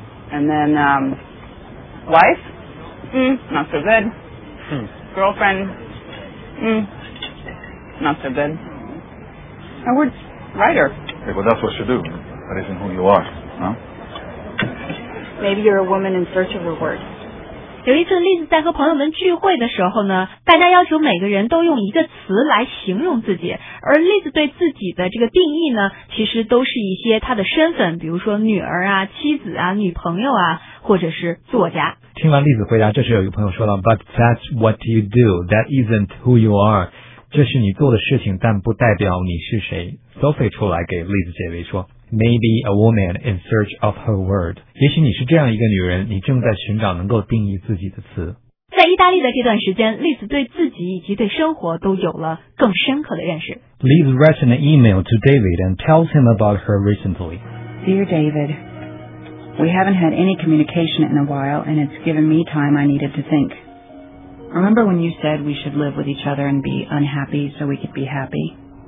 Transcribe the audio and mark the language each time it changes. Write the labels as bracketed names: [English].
[English] And then, wife? Not so good. Girlfriend? Not so good. My word's writer. Hey, well, that's what you do. That isn't who you are, huh? Maybe you're a woman in search of a word. [Chinese] 有一次栗子在和朋友们聚会的时候呢，大家要求每个人都用一个词来形容自己，而栗子对自己的这个定义呢，其实都是一些她的身份，比如说女儿啊、妻子啊、女朋友啊，或者是作家。听完栗子回答，这时有一个朋友说了 [English] But that's what you do, that isn't who you are. [Chinese] 这是你做的事情，但不代表你是谁。 [English] Sophie [Chinese] 出来给栗子解围说 [English] Maybe a woman in search of her word. [Chinese] 也许你是这样一个女人，你正在寻找能够定义自己的词。在意大利的这段时间，丽子对自己以及对生活都有了更深刻的认识。 [English] Liz writes an email to David and tells him about her recently. Dear David, we haven't had any communication in a while, and it's given me time I needed to think. Remember when you said we should live with each other and be unhappy so we could be happy?